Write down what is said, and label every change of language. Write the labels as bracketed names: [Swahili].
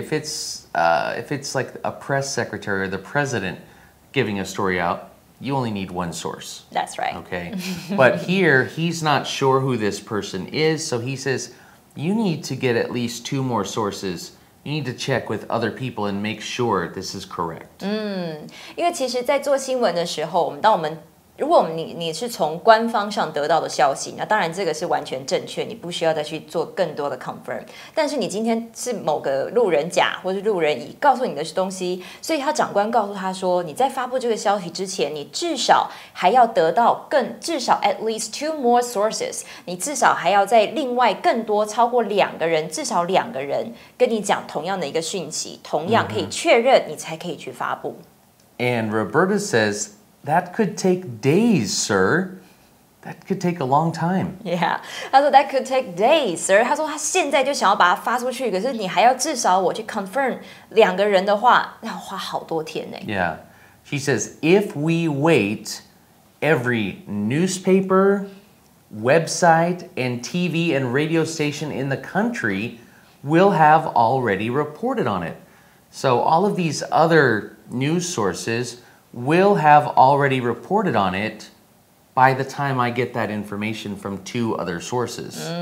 [English] If it's like a press secretary or the president giving a story out, you only need one source. That's right. Okay. But here, he's not sure who this person is, so he says, you need to get at least two more sources. You need to check with other people and make sure this is correct. [Chinese] 因为其实在做新闻的时候，我们当我们如果你是从官方上得到的消息，那当然这个是完全正确，你不需要再去做更多的 confirm。但是你今天是某个路人甲或是路人乙告诉你的东西，所以他长官告诉他说，你在发布这个消息之前，你至少还要得到至少 at least two more sources，你至少还要在另外更多超过两个人，至少两个人跟你讲同样的一个讯息，同样可以确认，你才可以去发布。 [English] And Roberta says. That could take days, sir. That could take a long time. Yeah. 他说 that could take days, sir. [Chinese] 他说他现在就想要把它发出去，可是你还要至少我去 confirm 两个人的话，要花好多天呢。 [English] Yeah. She says, if we wait, every newspaper, website, and TV and radio station in the country will have already reported on it. So all of these other news sources... will have already reported on it by the time I get that information from two other sources.